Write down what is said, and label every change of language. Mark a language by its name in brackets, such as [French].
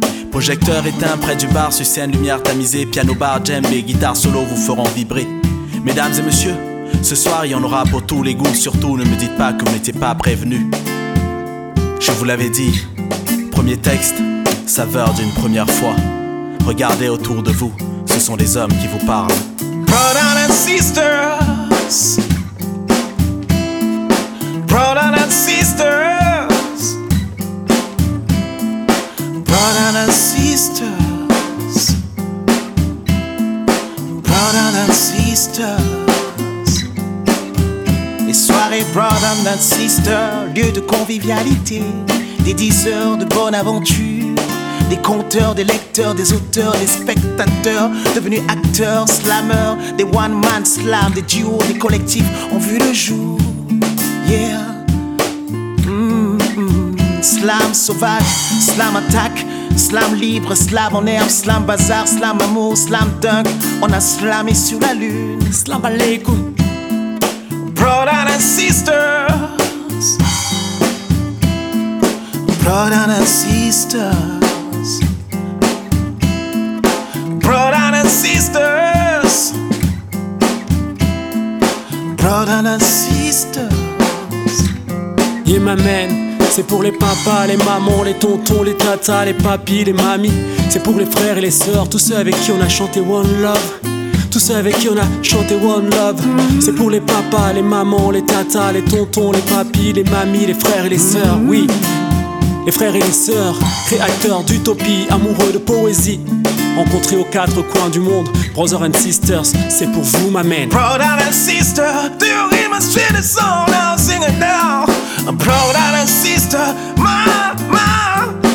[French] Projecteur éteint près du bar, sur scène, lumière tamisée, piano bar, djembé, guitare solo vous feront vibrer. Mesdames et messieurs, ce soir il y en aura pour tous les goûts. Surtout ne me dites pas que vous n'étiez pas prévenus. Je vous l'avais dit, premier texte, saveur d'une première fois. Regardez autour de vous, ce sont les hommes qui vous parlent. [English] Brothers and sisters, brothers and sisters, brothers and sisters, brothers and sisters. [French] Les soirées [English] brothers and sisters, [French] lieu de convivialité. Des 10 heures de bonne aventure, des conteurs, des lecteurs, des auteurs, des spectateurs, devenus acteurs, slameurs, des one-man slam, des duos, des collectifs ont vu le jour. [English] Yeah. [French] Slam sauvage, slam attaque, slam libre, slam en herbe, slam bazar, slam amour, slam dunk, on a slamé sur la lune. Slam à l'écoute. [English] Brothers and sisters. Brothers and sisters, brothers and sisters, brothers and sisters. Yeah, my man. [French] C'est pour les papas, les mamans, les tontons, les tatas, les papis, les mamies. C'est pour les frères et les sœurs, tous ceux avec qui on a chanté One Love. Tous ceux avec qui on a chanté One Love. C'est pour les papas, les mamans, les tatas, les tontons, les papis, les mamies, les frères et les sœurs, oui. Les frères et les sœurs, créateurs d'utopie, amoureux de poésie, rencontrés aux quatre coins du monde. [English] Brothers and sisters, [French] c'est pour vous, ma man. [English] Brothers and sisters, do you hear my sweet song now, sing it now. Brothers and sisters, my brother.